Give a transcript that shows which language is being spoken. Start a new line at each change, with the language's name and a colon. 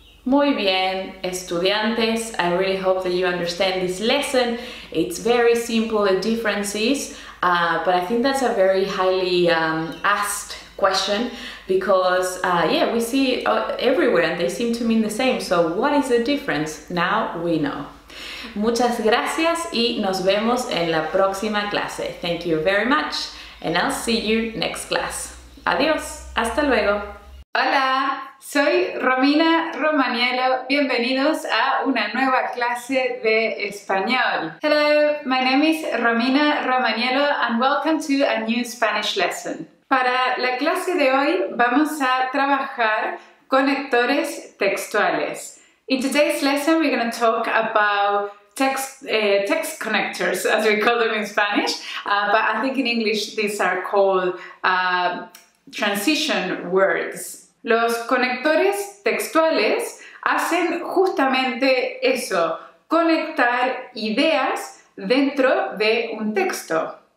Spanish: Muy bien, estudiantes.
English: I really hope that you understand this lesson. It's very simple, the differences, but I think that's a very highly asked question because we see it everywhere and they seem to mean the same. So what is the difference? Now we know.
Spanish: Muchas gracias y nos vemos en la próxima clase.
English: Thank you very much and I'll see you next class.
Spanish: Adiós, hasta luego. Hola, soy Romina Romaniello. Bienvenidos a una nueva clase de español.
English: Hello, my name is Romina Romaniello and welcome to a new Spanish lesson.
Spanish: Para la clase de hoy vamos a trabajar conectores textuales.
English: In today's lesson, we're going to talk about text connectors, as we call them in Spanish, but I think in English these are called transition words.
Spanish: Los conectores textuales hacen justamente eso, conectar ideas dentro de un texto.